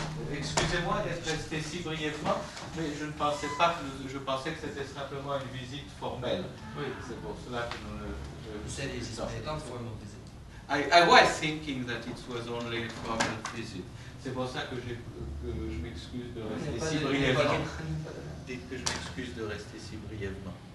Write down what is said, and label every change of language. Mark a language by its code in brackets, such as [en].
[fr] Excusez-moi d'être resté si brièvement, mais je ne pensais pas que je pensais que c'était simplement une visite formelle. Oui, c'est pour cela que nous le. Vous savez, c'est une formelle visite. [en] I was thinking that it was only a formal visit. [fr] C'est pour ça que je m'excuse de rester si brièvement. Dites que je m'excuse de rester si brièvement.